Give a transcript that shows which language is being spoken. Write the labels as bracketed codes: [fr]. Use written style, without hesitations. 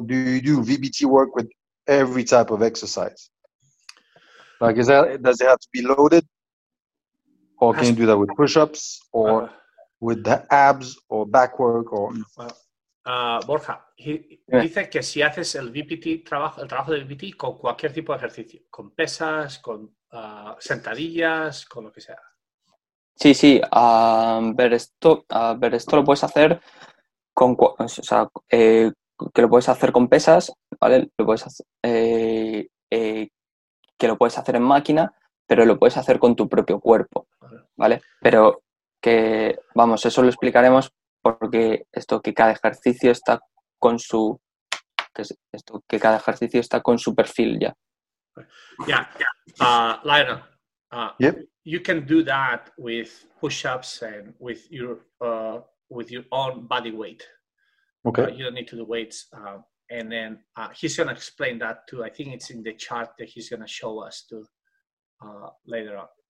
[en] Do you do VBT work with every type of exercise? Like, does it have to be loaded? Or can you do that with push-ups or with the abs or back work? Or... [es] Borja, dice que si haces el trabajo de VBT con cualquier tipo de ejercicio, con pesas, con sentadillas, con lo que sea. Sí, sí. Esto lo puedes hacer con, que lo puedes hacer con pesas, ¿vale? Lo puedes hacer, que lo puedes hacer en máquina, pero lo puedes hacer con tu propio cuerpo, ¿vale? Pero que, vamos, eso lo explicaremos porque esto, que cada ejercicio está con su, que cada ejercicio está con su perfil ya. [en] Yeah. Lionel. Yep. you can do that with push-ups and with your own body weight. Okay. You don't need to do weights. And then he's going to explain that too. I think it's in the chart that he's going to show us too later on.